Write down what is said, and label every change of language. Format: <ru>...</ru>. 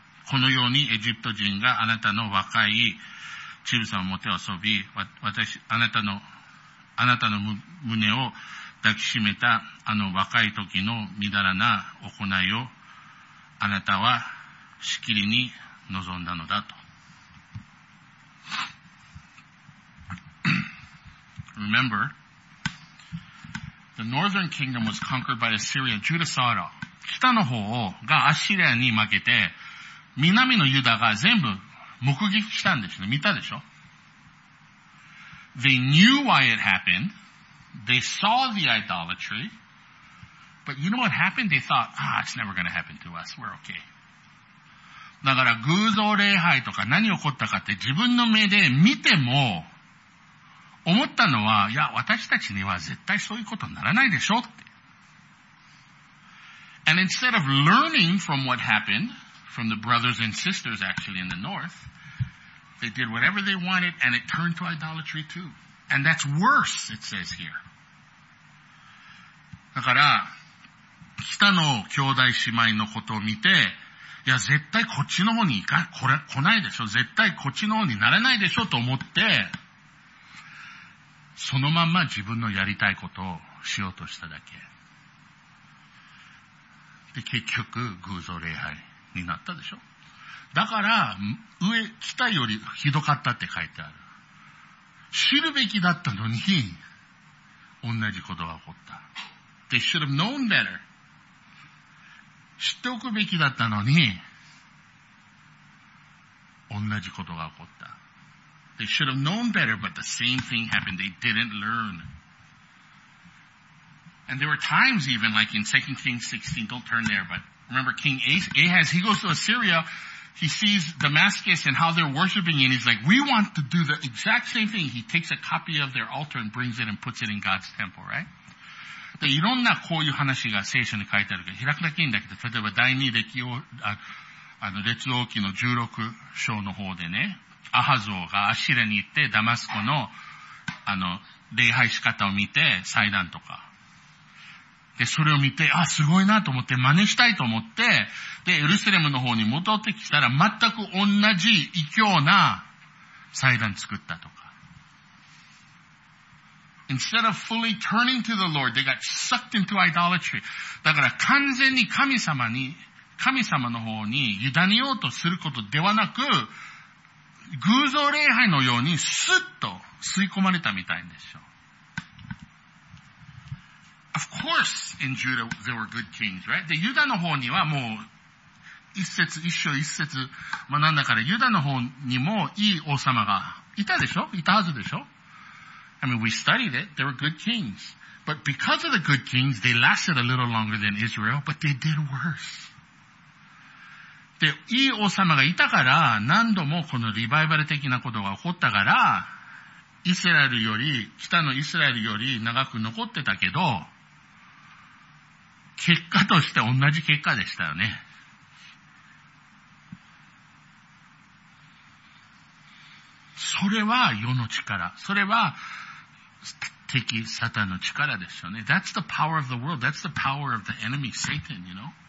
<ja>このようにエジプト人があなたの若いチブサを持って遊び、あなたの胸を抱きしめたあの若い時のみだらな行いをあなたはしきりに望んだのだと。</ja> <en>Remember,The northern kingdom was conquered by Assyria. Judah saw it all.</en> <ja>北の方がアッシリアに負けて、南のユダが全部目撃したんですね。見たでしょ?</ja> <en>They knew why it happened. They saw the idolatry. But you know what happened? They thought, it's never going to happen to us. We're okay.</en> <ja>だから偶像礼拝とか何起こったかって自分の目で見ても思ったのは、いや、私たちには絶対そういうことにならないでしょうって。</ja> <en>And instead of learning from what happened, from the brothers and sisters actually in the north, they did whatever they wanted and it turned to idolatry too. And that's worse, it says here.</en> <ja>だから、北の兄弟姉妹のことを見て、いや、絶対こっちの方に行か、これ、来ないでしょ。絶対こっちの方にならないでしょと思って、そのまんま自分のやりたいことをしようとしただけ。で、結局、偶像礼拝になったでしょ。だから、上、北よりひどかったって書いてある。知るべきだったのに、同じことが起こった。</ja> <en>They should have known better.</en> <ja>知っておくべきだったのに、同じことが起こった。</ja> <en>They should have known better, but the same thing happened. They didn't learn. And there were times even, like in 2 Kings 16, don't turn there, but remember King Ahaz, he goes to Assyria, he sees Damascus and how they're worshiping, and he's like, we want to do the exact same thing. He takes a copy of their altar and brings it and puts it in God's temple, right?</en> <ja>で、いろんなこういう話が聖書に書いてあるけど、開くだけいいんだけど、例えば第2歴王、列王記の16章の方でね、アハゾがアシリアに行ってダマスコの礼拝仕方を見て祭壇とかで、それを見て、あ、すごいなと思って真似したいと思って、でエルサレムの方に戻ってきたら全く同じ異教な祭壇作ったとか。</ja> <en>Instead of fully turning to the Lord, they got sucked into idolatry.</en> <ja>だから完全に神様の方に委ねようとすることではなく、偶像礼拝のようにスッと吸い込まれたみたいんですよ。</ja> <en>Of course, in Judah, there were good kings, right?</en> <ja>で、ユダの方にはもう、一章一節学んだから、ユダの方にもいい王様がいたでしょ？いたはずでしょ？</ja> <en>I mean, we studied it. There were good kings. But because of the good kings, they lasted a little longer than Israel, but they did worse.</en> <ja>で、いい王様がいたから、何度もこのリバイバル的なことが起こったから、イスラエルより、北のイスラエルより長く残ってたけど、結果として同じ結果でしたよね。それは世の力。それは敵、サタンの力ですよね。</ja> <en>That's the power of the world. That's the power of the enemy, Satan, you know?</en>